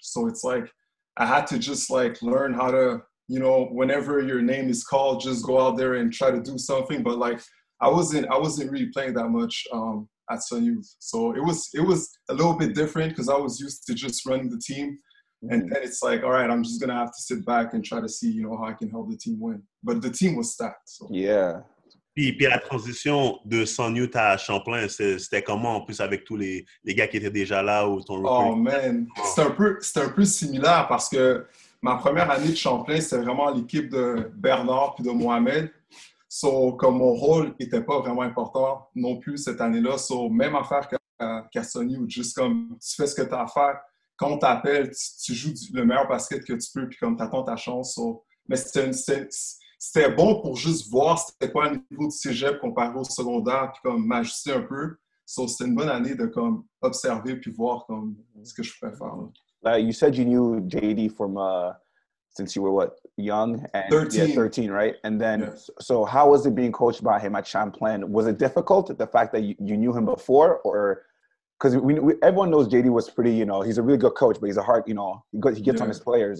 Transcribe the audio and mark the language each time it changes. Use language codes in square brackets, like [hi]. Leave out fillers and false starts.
[en] So it's like I had to just like learn how to, you know, whenever your name is called, just go out there and try to do something. But like I wasn't really playing that much at Sunyouth. So it was a little bit different because I was used to just running the team. And then it's like, all right, I'm just going to have to sit back and try to see, you know, how I can help the team win. But the team was stacked. So. Yeah. [fr] Puis la transition de Sunyouth à Champlain, c'était comment en plus avec tous les gars qui étaient déjà là ou ton recrut? Oh man, c'est un peu similaire parce que ma première année de Champlain, c'était vraiment l'équipe de Bernard puis de Mohamed. So, comme mon rôle n'était pas vraiment important non plus cette année-là. So, même affaire qu'à Sunyouth, juste comme tu fais ce que tu as à faire. Quand on t'appelle, tu joues le meilleur basket que tu peux puis comme tu attends ta chance. So. Mais c'était bon pour juste voir c'était quoi le niveau du cégep comparé au secondaire puis comme m'ajuster un peu. So, c'était une bonne année de comme observer puis voir comme ce que je pouvais faire. [en] Like you said you knew JD from since you were what, young? And, 13. Yeah, 13, right? And then, yes. So how was it being coached by him at Champlain? Was it difficult, the fact that you knew him before? Or because everyone knows JD was pretty, you know, he's a really good coach, but he's a hard, you know, he gets on his players.